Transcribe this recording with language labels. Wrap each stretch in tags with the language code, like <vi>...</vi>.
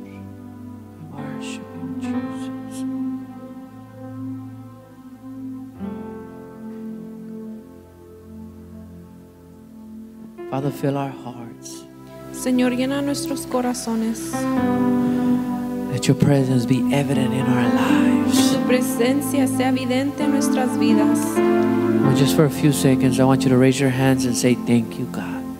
<en>We worship you, Jesus. Father, fill our hearts.</en> <es>Señor, llena nuestros corazones.</es> <en>Let your presence be evident in our lives.</en> <es>Que tu presencia sea evidente en nuestras vidas.</es> <en>Well, just for a few seconds, I want you to raise your hands and say thank you, God.</en>